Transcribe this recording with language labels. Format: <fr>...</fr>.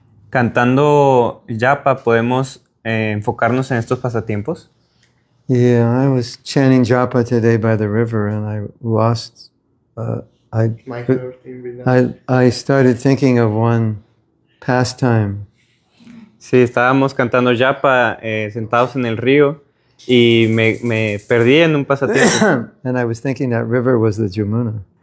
<es>Cantando japa, podemos enfocarnos en estos pasatiempos.</es> <en>Yeah, I was chanting japa today by the river and I lost I started thinking of one pastime.</en> <es>Sí, estábamos cantando japa sentados en el río y me perdí en un pasatiempo.</es> <en>And I was thinking that river was the Yamuna.</en>